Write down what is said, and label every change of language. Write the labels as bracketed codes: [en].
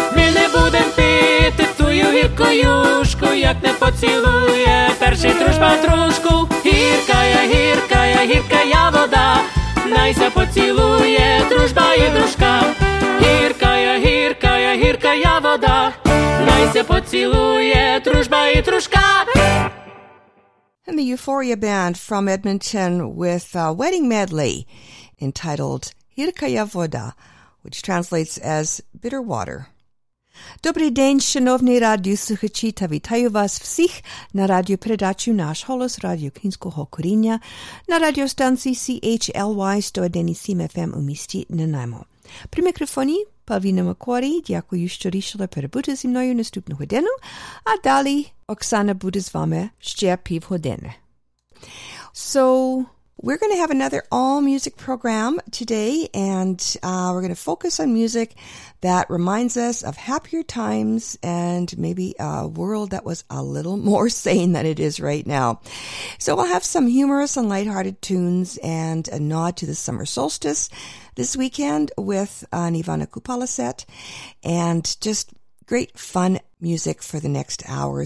[uk] Ми не будем пити тую гірку юшку, як не поцілує перший дружба дружку. Гірка я, гірка я, гірка я вода, най се поцілує дружба і дружка. Гірка я, гірка я, гірка я вода, най се поцілує дружба і дружка. [en] And the Euphoria Band from Edmonton with a wedding medley entitled [uk] Gірка я вода, [en] which translates as bitter water. [uk] Добрий день, шановні радіослухачі, та вітаю вас всіх на радіопередачі «Наш голос» радіо Кінського коріння на радіостанції CHLY 101.7 FM у місті Нанаймо. При мікрофоні Павіна Макорі, дякую, що рішили перебути зі мною наступну годину, а далі Оксана буде з вами ще півгодини. [en] So, we're going to have another all-music program today, and we're going to focus on music that reminds us of happier times and maybe a world that was a little more sane than it is right now. So we'll have some humorous and lighthearted tunes and a nod to the summer solstice this weekend with an Ivana Kupala set, and just great fun music for the next hour.